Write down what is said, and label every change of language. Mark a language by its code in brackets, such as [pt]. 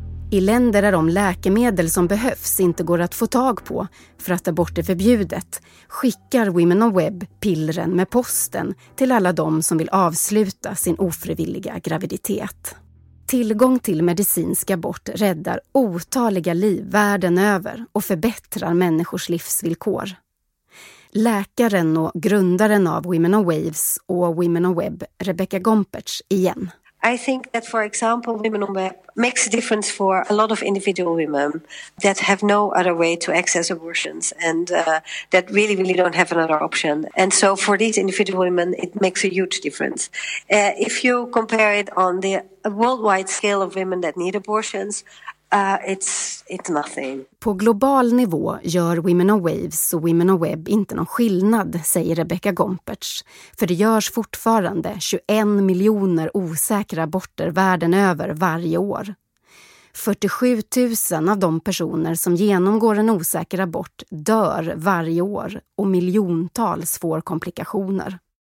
[sv] I länder där de läkemedel som behövs inte går att få tag på för att abort är förbjudet skickar Women on Web pillren med posten till alla de som vill avsluta sin ofrivilliga graviditet. Tillgång till medicinsk abort räddar otaliga liv världen över och förbättrar människors livsvillkor. Läkaren och grundaren av Women on Waves och Women on Web, Rebecca Gompertz, igen. [en] I think that, for example, Women on Web makes a difference for a lot of individual women that have no other way to access abortions and that really, really don't have another option. And so for these individual women, it makes a huge difference. If you compare it on the worldwide scale of women that need abortions, it's nothing. [sv] På global nivå gör Women on Waves och Women on Web inte någon skillnad, säger Rebecca Gompertz. För det görs fortfarande 21 miljoner osäkra aborter världen över varje år. 47 000 av de personer som genomgår en osäker abort dör varje år och miljontals får komplikationer.